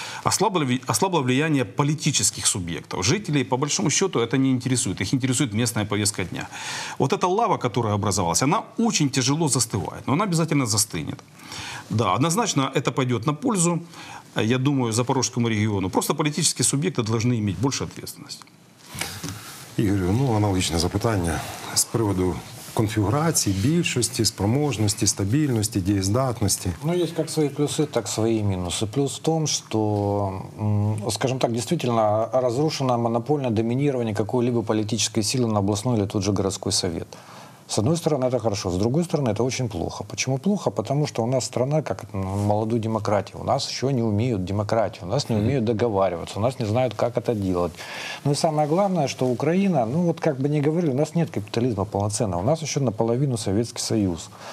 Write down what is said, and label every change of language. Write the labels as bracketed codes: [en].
[ru] Ослабло влияние политических субъектов. Жителей, по большому счету, это не интересует. Их интересует местная повестка дня. Вот эта лава, которая образовалась, она очень тяжело застывает, но она обязательно застынет. Да, однозначно это пойдет на пользу, я думаю, Запорожскому региону. Просто политические субъекты должны иметь больше ответственности. [uk] Ігорю, ну аналогічне запитання з приводу конфігурації, більшості, спроможності, стабільності, дієздатності. Ну, є як свої плюси, так і свої мінуси. Плюс в тому, що, скажімо так, дійсно розрушено монопольне домінування якоїсь політичної сили на обласну чи тут же городський совет. [ru] С одной стороны, это хорошо, с другой стороны, это очень плохо. Почему плохо? Потому что у нас страна как молодую демократию. У нас еще не умеют демократию, у нас не умеют договариваться, у нас не знают, как это делать. Ну и самое главное, что Украина, ну вот как бы ни говорили, у нас нет капитализма полноценного, у нас еще наполовину Советский Союз.